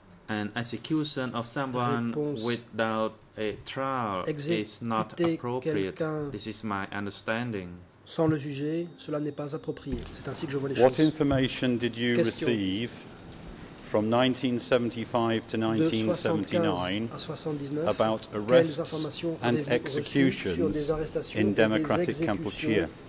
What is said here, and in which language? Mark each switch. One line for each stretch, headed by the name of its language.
English: An execution of someone without a trial is not appropriate. This is my understanding.
French: Sans le juger, cela n'est pas approprié. C'est ainsi que je vois les
English: choses. What information did you receive from 1975 to 1979 about arrests and executions in democratic Kampuchea.